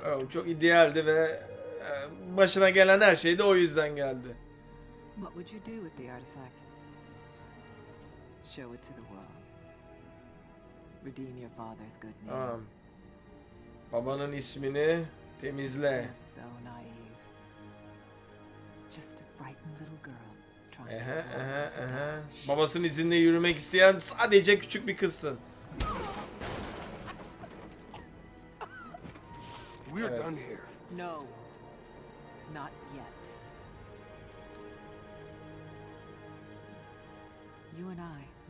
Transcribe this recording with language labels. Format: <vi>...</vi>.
<tr>Çok idealdi ve başına gelen her şey de o yüzden geldi.</tr> <en>What would you do with the artifact? Show it to the world. Redeem your father's good name.</en> <tr>Babanın ismini temizle.</tr> <en>So naive. Just a frightened little girl trying to.</en> <tr>Babasının izinde yürümek isteyen sadece küçük bir kızsın.</tr> <en>We're done here. No. Not yet. You and I.</en>